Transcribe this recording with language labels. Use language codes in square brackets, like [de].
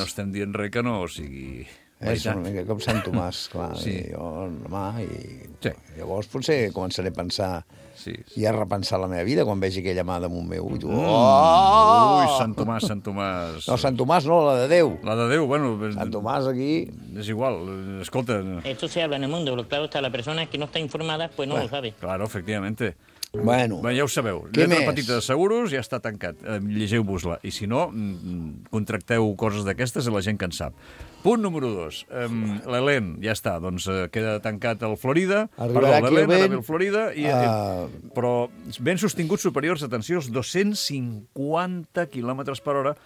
[ca] No estem dient res que no, o sigui... És una mica com Sant Tomàs, clar. Sí. I jo, la mà, i... Sí. Llavors potser començaré a pensar... Sí, sí. I a repensar la meva vida quan vegi aquella mà damunt meu. I tu... Oh! Ui, Sant Tomàs, Sant Tomàs. No, Sant Tomàs no, la de Déu. La de Déu, bueno... Sant Tomàs aquí... És igual, escolta... [es] Esto se habla en el mundo, pero claro, está la persona que no está informada, pues no bueno. lo sabe. Claro, efectivamente. [ca] Bueno, bé, ja ho sabeu, lletra més? Petita de seguros ja està tancat, llegeu-vos-la i si no, contracteu coses d'aquestes a la gent que en sap. Punt número 2, l'Helen, ja està, doncs queda tancat al Florida. Arribarà perdó, l'Helen, ara ve al Florida i, però ben sostinguts superiors, atenció, als 250 km per hora.